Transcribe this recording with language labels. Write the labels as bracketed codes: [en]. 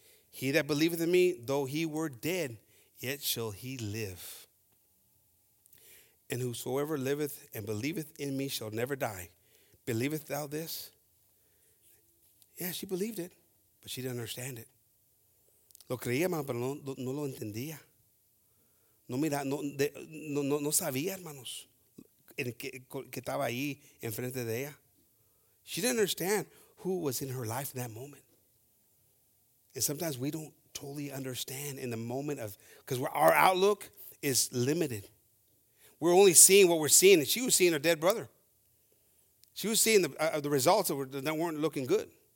[en] He that believeth in me, though he were dead, yet shall he live. And whosoever liveth and believeth in me shall never die. Believeth thou this? Yeah, she believed it, but she didn't understand it. [es] Lo creía, hermano, pero no lo entendía. No sabía, hermanos, en que estaba ahí enfrente de ella. [en] She didn't understand who was in her life in that moment. And sometimes we don't totally understand in the moment of, because our outlook is limited. We're only seeing what we're seeing, and she was seeing her dead brother. She was seeing the results that weren't looking good.